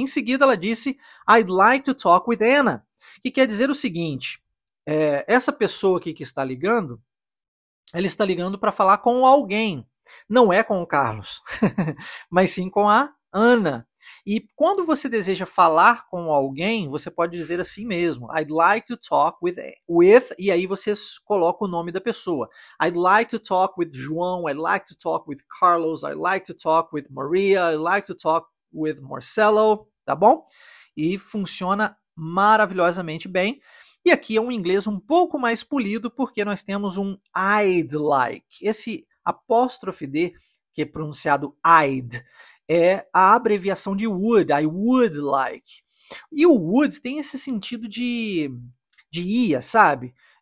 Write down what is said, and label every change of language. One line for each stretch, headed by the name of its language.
Portuguese: Em seguida, ela disse,
English: I'd like to talk with Anna.
Portuguese: Que quer dizer o seguinte, essa pessoa aqui que está ligando, ela está ligando para falar com alguém. Não é com o Carlos, mas sim com a Anna. E quando você deseja falar com alguém, você pode dizer assim mesmo.
English: I'd like to talk with
Portuguese: e aí você coloca o nome da pessoa.
English: I'd like to talk with João, I'd like to talk with Carlos, I'd like to talk with Maria, I'd like to talk with Marcelo,
Portuguese: tá bom? E funciona maravilhosamente bem. E aqui é um inglês um pouco mais polido, porque nós temos um I'd like. Esse apóstrofe D, que é pronunciado I'd, é a abreviação de would,
English: I would like.
Portuguese: E o would tem esse sentido de ia, sabe?